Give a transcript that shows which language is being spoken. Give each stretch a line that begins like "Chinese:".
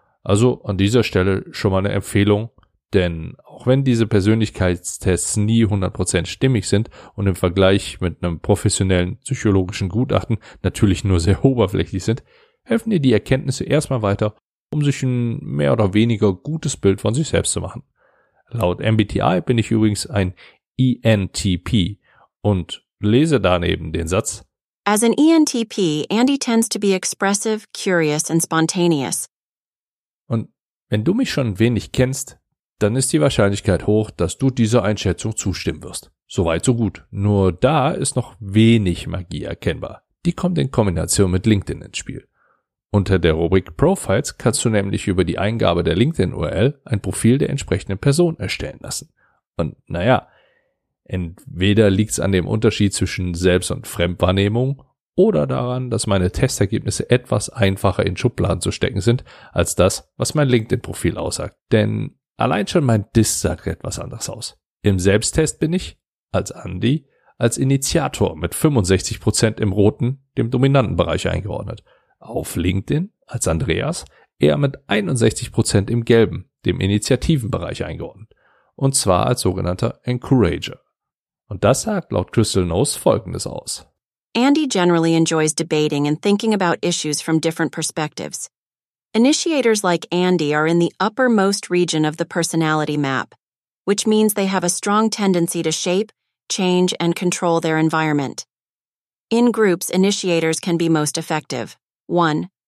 German: Also an dieser Stelle schon mal eine Empfehlung, denn auch wenn diese Persönlichkeitstests nie 100% stimmig sind und im Vergleich mit einem professionellen psychologischen Gutachten natürlich nur sehr oberflächlich sind, helfen dir die Erkenntnisse erstmal weiter, um sich ein mehr oder weniger gutes Bild von sich selbst zu machen. Laut MBTI bin ich übrigens ein ENTP und lese daneben den Satz:
English: As an ENTP, Andy tends to be expressive, curious and spontaneous.
German: Und wenn du mich schon wenig kennst, dann ist die Wahrscheinlichkeit hoch, dass du dieser Einschätzung zustimmen wirst. Soweit so gut. Nur da ist noch wenig Magie erkennbar. Die kommt in Kombination mit LinkedIn ins Spiel. Unter der Rubrik Profiles kannst du nämlich über die Eingabe der LinkedIn-URL ein Profil der entsprechenden Person erstellen lassen. Und naja, entweder liegt's an dem Unterschied zwischen Selbst- und Fremdwahrnehmung oder daran, dass meine Testergebnisse etwas einfacher in Schubladen zu stecken sind, als das, was mein LinkedIn-Profil aussagt. Denn allein schon mein Disk sagt etwas anderes aus. Im Selbsttest bin ich, als Andy, als Initiator mit 65% im roten, dem dominanten Bereich eingeordnet. Auf LinkedIn als Andreas eher mit 61% im Gelben, dem Initiativenbereich eingeordnet, und zwar als sogenannter Encourager. Und das sagt laut Crystal Knows Folgendes aus:
English: Andy generally enjoys debating and thinking about issues from different perspectives. Initiators like Andy are in the uppermost region of the personality map, which means they have a strong tendency to shape, change and control their environment. In groups, initiators can be most effective. 1.